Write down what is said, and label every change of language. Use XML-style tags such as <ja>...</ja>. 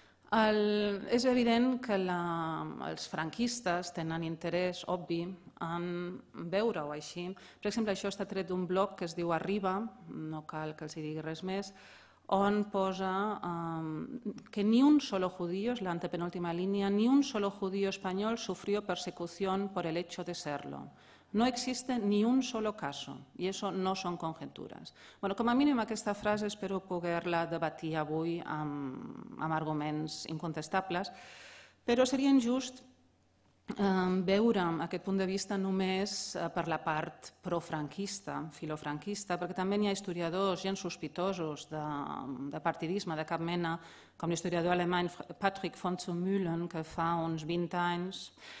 <ca>És evident que els franquistes tenen interès obvi en veure-ho així. Per exemple, això està tret d'un blog que es diu Arriba, no cal que els hi digui res més, on posa que</ca> <es>ni un solo judío,</es> <ca>és l'antepenúltima línia,</ca> <es>ni un solo judío español sufrió persecución por el hecho de serlo. No existe ni un solo caso, y eso no son conjeturas.</es> <ca>Bueno, com a mínim aquesta frase espero poder-la debatir avui amb arguments incontestables, però seria injust veure aquest punt de vista només per la part profranquista, filofranquista, perquè també hi ha historiadors, gent sospitosos de partidisme de cap mena, com l'historiador alemany Patrick von zu Mühlen, que fa uns 20 anys</ca>